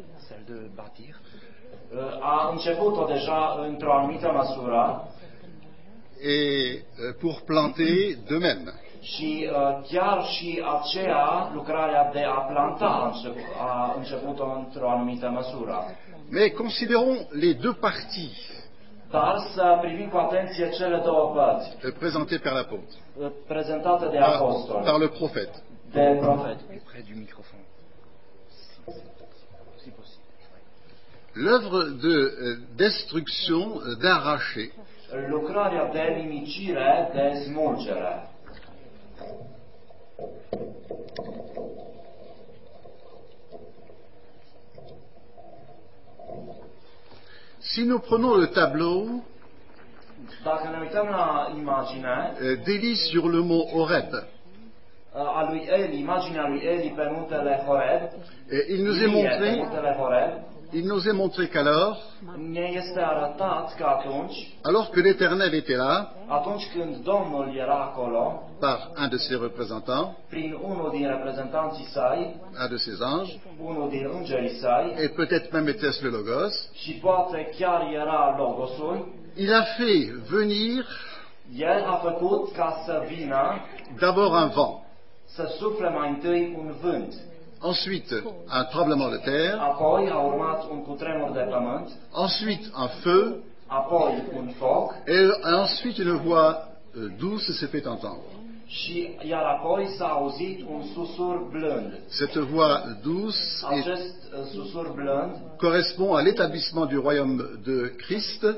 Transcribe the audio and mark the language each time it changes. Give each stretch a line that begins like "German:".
French: celle de bâtir,
Romanian: a început-o déjà într-o anumită măsură,
French: et pour planter de même.
Romanian: Și chiar și aceea, lucrarea de a planta a început-o într-o anumită măsură.
French: Mais considérons les deux parties.
Romanian: Dar să privim cu atenție cele două părți.
French: Présentées par l'apôtre.
Romanian: Prezentate de apostol.
French: Par le prophète. De prophète. Près du microphone. L'œuvre de destruction, d'arracher.
Romanian: Lucrarea de nimicire, de smulgere.
French: Si nous prenons le tableau,
Romanian: dacă ne uităm la imagine,
French: d'Eli sur le mont Horeb,
Romanian: a lui Eli, imaginea lui Eli pe muntele Horeb,
French: il nous est montré, il nous est montré qu'alors,
Romanian: ne este arătat că atunci,
French: alors que l'Éternel était là,
Romanian: atunci când Domnul era acolo,
French: par un de ses représentants,
Romanian: prin unul din reprezentanții săi,
French: un de ses anges,
Romanian: unul din îngerii săi,
French: et peut-être même était-ce le Logos,
Romanian: și poate chiar era Logosul,
French: il a fait venir,
Romanian: el a făcut ca să vină,
French: d'abord un vent,
Romanian: să sufle mai întâi un vânt.
French: Ensuite, un tremblement de terre.
Romanian: Apoi a urmat un cutremur de pământ.
French: Ensuite, un feu.
Romanian: Apoi un foc.
French: Et ensuite, une voix douce s'est fait entendre.
Romanian: Și iar apoi s-a auzit un susur blând.
French: Cette voix douce,
Romanian: acest susur blând,
French: correspond à l'établissement du royaume de Christ.